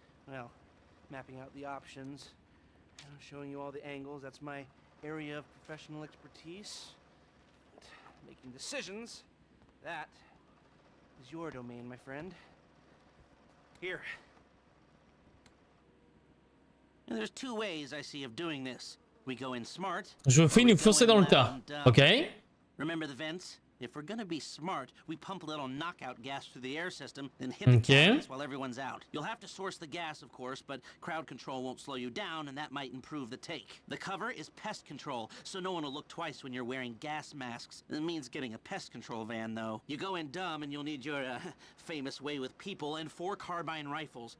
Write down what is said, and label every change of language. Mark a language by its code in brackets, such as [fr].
[en] Well, mapping out the options, showing you all the angles, that's my area of professional expertise. But making decisions, that... your domain, my friend. Here. And there's two ways I see of doing this. We go in smart. [fr] Je vais nous foncer dans le tas. Okay. [en] Remember the vents? If we're gonna be smart, we pump a little knockout gas through the air system, then hit the gas while everyone's out. You'll have to source the gas, of course, but crowd control won't slow you down, and that might improve the take. The cover is pest control, so no one will look twice when you're wearing gas masks. It means getting a pest control van, though. You go in dumb, and you'll need your famous way with people and four carbine rifles.